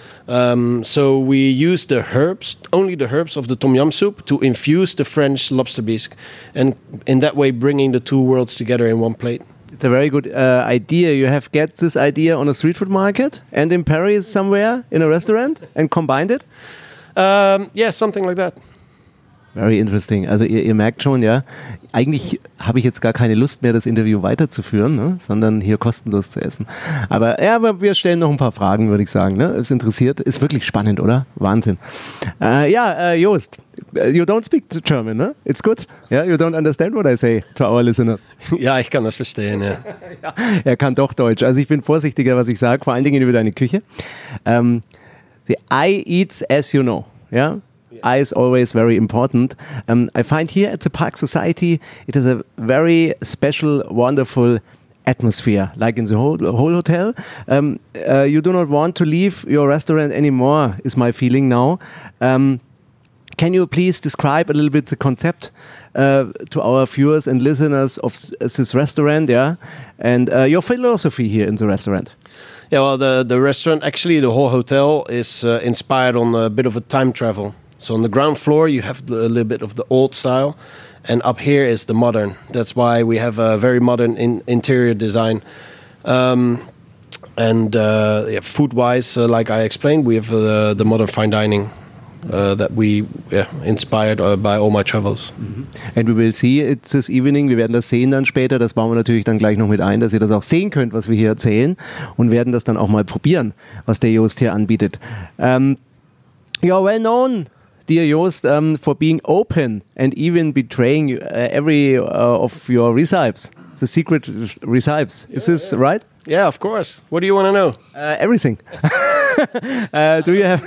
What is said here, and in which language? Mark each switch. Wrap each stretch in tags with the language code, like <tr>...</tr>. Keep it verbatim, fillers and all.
<en>Um, so we use the herbs, only the herbs of the tom yum soup to infuse the French lobster bisque. And in that way, bringing the two worlds together in one plate. It's a very good uh, idea. You have get this idea on a street food market and in Paris somewhere in a restaurant and combined it? Um, yeah, something like that. Very interesting.</en> <de>Also ihr, ihr merkt schon, ja, eigentlich habe ich jetzt gar keine Lust mehr, das Interview weiterzuführen, ne, sondern hier kostenlos zu essen. Aber ja, aber wir stellen noch ein paar Fragen, würde ich sagen. Ne? Es interessiert, ist wirklich spannend, oder? Wahnsinn. Äh, ja, äh,</de> <en>Joost, you don't speak German, ne? It's good. Yeah, you don't understand what I say to our listeners.</en> <de>Ja, ich kann das verstehen, ja. Ja, er kann doch Deutsch. Also ich bin vorsichtiger, was ich sage, vor allen Dingen über deine Küche.</de> <en>Ähm, the I eats as you know, ja? Yeah? I is always very important. Um, I find here at the Park Society, it is a very special, wonderful atmosphere, like in the whole, whole hotel. Um, uh, you do not want to leave your restaurant anymore, is my feeling now. Um, can you please describe a little bit the concept uh, to our viewers and listeners of this restaurant, yeah, and uh, your philosophy here in the restaurant? Yeah, well, the, the restaurant, actually, the whole hotel is uh, inspired on a bit of a time travel. So on the ground floor, you have the, a little bit of the old style, and up here is the modern. That's why we have a very modern in, interior design. Um, and uh, yeah, food-wise, uh, like I explained, we have uh, the modern fine dining uh, that we yeah, inspired uh, by all my travels. Mm-hmm. And we will see it this evening.</en> <de>Wir werden das sehen dann später. Das bauen wir natürlich dann gleich noch mit ein, dass ihr das auch sehen könnt, was wir hier erzählen, und werden das dann auch mal probieren, was der Joost hier anbietet.</de> <en>Um, you're well known, dear Joost, um, for being open and even betraying uh, every uh, of your recipes, the secret recipes. Is yeah, this yeah. right? Yeah, of course. What do you want to know? Uh, everything. uh, do you have</en>